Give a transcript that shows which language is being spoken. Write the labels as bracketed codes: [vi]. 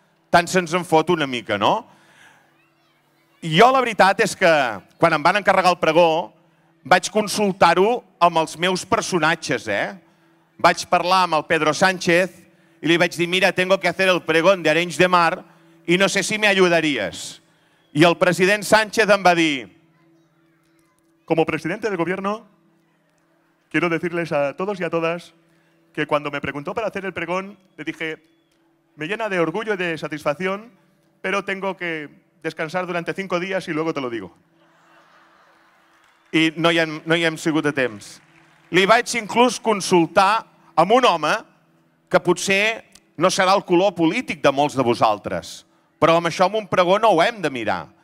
[ca] Tant se'ns en fot una mica, no? Jo la veritat és que quan em van encarregar el pregó vaig consultar-ho amb els meus personatges, eh? Vaig parlar amb el Pedro Sánchez i li vaig dir, mira, [es] tengo que hacer el pregón de Arenys de Mar, [ca] i no sé si m'ajudaries. I el president Sánchez em va dir, [es] como presidente del gobierno, quiero decirles a todos y a todas que cuando me preguntó para hacer el pregón, le dije, me llena de orgullo y de satisfacción, pero tengo que descansar durante 5 días y luego te lo digo. [ca] I no hi hem sigut a temps. Li vaig inclús consultar amb un home que potser no serà el color polític de molts de vosaltres. Però amb això, amb un pregó, no ho hem de mirar.